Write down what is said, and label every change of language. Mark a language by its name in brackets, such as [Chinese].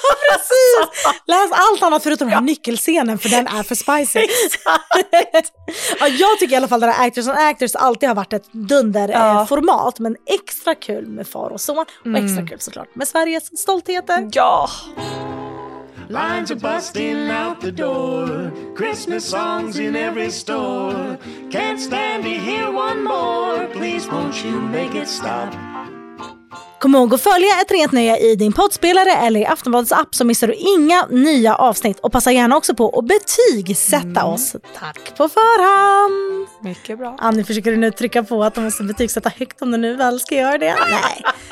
[Swedish] Precis! Läs allt annat förutom den här nyckelscenen, för den är för spicy. Exakt! Ja, jag tycker i alla fall att det är Actors and Actors alltid har varit ett dunder format, men extra kul med far och son och extra kul såklart med Sveriges stoltheter. Ja. [English] Lines are busting out the door. Christmas songs in every store. Can't stand to hear one more. Please won't you make it stop. [Swedish] Kom ihåg att följa Ett rent nöje i din poddspelare eller i Aftonbladets app, så missar du inga nya avsnitt. Och passa gärna också på att betygsätta oss. Tack på förhand. Mycket bra. Annie, försöker du nu trycka på att de måste betygsätta högt om du nu väl ska göra det? Nej.